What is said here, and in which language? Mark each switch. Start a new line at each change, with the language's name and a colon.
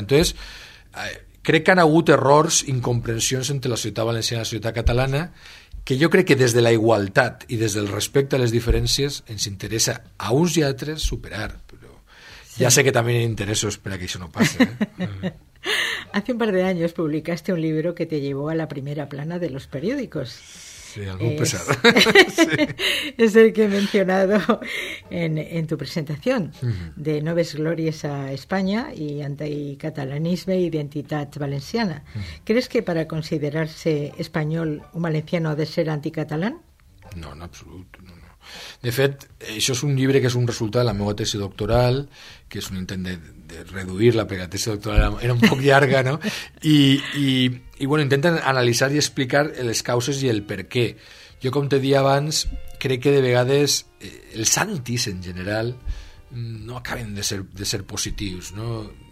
Catalan: Entonces, crec que han hagut errors, incomprensions entre la ciutat valenciana i la ciutat catalana, que jo crec que des de la igualtat i des del respecte a les diferències ens interessa a uns i altres superar, però sí. Ja sé que també hi ha interessos per a que això no passi.
Spanish: Hace un par de años publicaste un libro que te llevó a la primera plana de los periódicos. Sí, algo es... pesado. Es el que he mencionado en tu presentación, de Noves Glories a España y anticatalanisme e identitat valenciana. ¿Crees que para considerarse español un valenciano ha de ser anticatalán? No, en absoluto. No.
Catalan: De fet, això és un llibre que és un resultat de la meva tesi doctoral, que és un intent de reduir-la, perquè la tesi doctoral era un poc llarga, no? I bueno, intenten analitzar i explicar les causes i el per què. Jo, com te dia abans, crec que de vegades els antis, en general, no acaben de ser positius, no?